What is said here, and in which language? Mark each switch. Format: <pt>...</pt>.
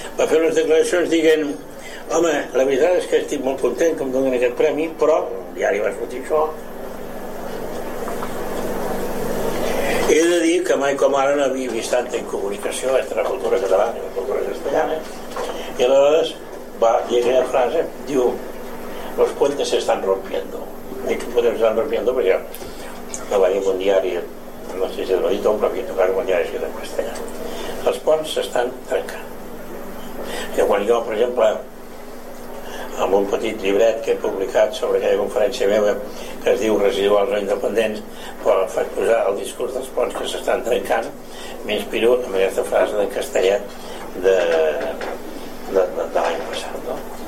<ca>Va fer unes declaracions dient, home, la veritat és que estic molt content que em donin aquest premi, però ja li va sortir això. He de dir que mai com ara no havia vist tanta incomunicació entre la cultura catalana i la cultura castellana. I aleshores va dir aquella frase, diu,</ca> <es>los puentes se están rompiendo.</es> <ca>Dic,</ca> <es>que puentes se están rompiendo,</es> <ca>perquè no va dir un diari, no sé si és l'edit o un propi, tocar un diari si era castellà. Els ponts s'estan trencant. I quan jo, per exemple, amb un petit llibret que he publicat sobre aquella conferència meva que es diu Residuals Independents, però faig posar el discurs dels ponts que s'estan trencant, m'inspiro amb aquesta frase en castellà de l'any passat, no?</ca>